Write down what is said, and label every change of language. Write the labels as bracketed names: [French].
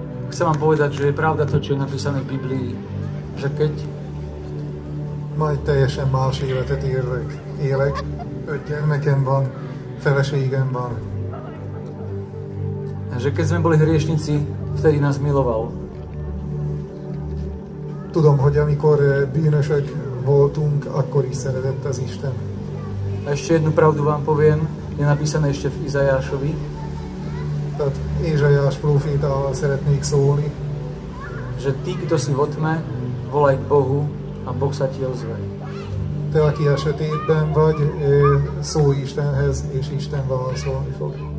[Slovak] Chcem vám povedať, že je pravda to, čo je napísané v Biblii, že keď [Hungarian] majd teljesen más életet élek. 5 gyermekem van, feleségem van. [Slovak] Že keď sme boli hriešnici, vtedy nás miloval. [Hungarian] Tudom, hogy amikor bűnösök voltunk, akkor is szeretett az Isten. [Slovak] A ešte jednu pravdu vám poviem, je napísané ešte v Izajášovi. [Hungarian] Tehát Izajáš profétával szeretnék szólni. [Slovak] Že ty, kto si vo tme, volaj k Bohu, a Boh sa ti ozve. [Hungarian] Te, aki a sötétben vagy, szólj Istenhez, és Isten válaszolni fog.